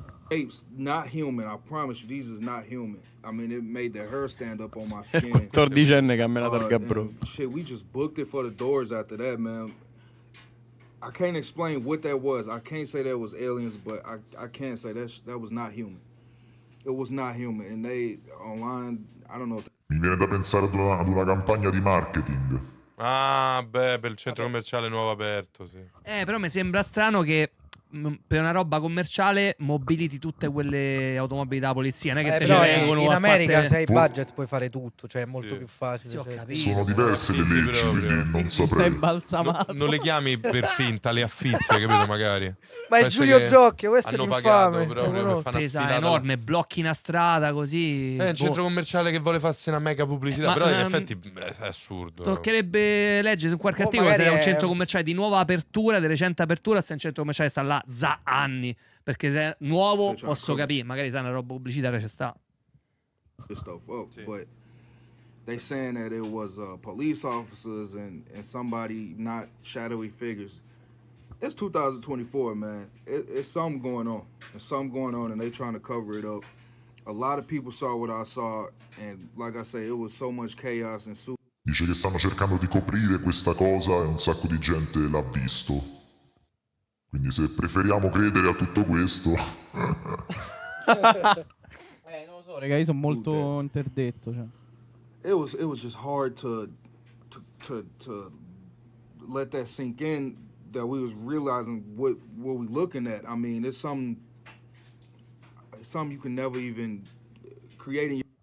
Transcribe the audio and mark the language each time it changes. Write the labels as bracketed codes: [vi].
[en] Apes, not human, I promise you, these is not human. I mean, it made the hair stand up on my skin. [it] 14enne che ha me la targa, bro. [en] Shit, we just booked it for the doors after that, man. I can't explain what that was. I can't say that was aliens, but I can't say that was not human. It was not human. And they, online, I don't know. [it] Mi viene da pensare ad una campagna di marketing. Ah, beh, per il centro commerciale nuovo aperto, sì. Però mi sembra strano che per una roba commerciale mobiliti tutte quelle automobili della polizia, non è che te vengono in America se hai budget puoi fare tutto, cioè è molto più facile, sì, sono diverse le leggi, quindi non saprei. Non le chiami per finta, le affitti, capito, magari. Ma è Giulio Zocchio, questo è l'infame, spesa enorme, blocchi una strada così, è un centro commerciale che vuole farsi una mega pubblicità, però in effetti è assurdo. Toccherebbe leggere su qualche articolo se è un centro commerciale di nuova apertura, di recente apertura, se è un centro commerciale sta là za anni, perché se è nuovo posso capire, magari sa una roba pubblicitaria ci sta. [en] But they saying that it was police officers and somebody, not shadowy figures. It's 2024, man. It's something going on. There's something going on and they trying to cover it up. A lot of people saw what I saw and like I say, it was so much chaos and so. [it] Dice che stanno cercando di coprire questa cosa e un sacco di gente l'ha visto. Quindi se preferiamo credere a tutto questo. non lo so, raga, io sono molto interdetto, cioè. [en] It was just hard to let that sink in that we was realizing what we looking at. I mean, it's some you can never even create in your.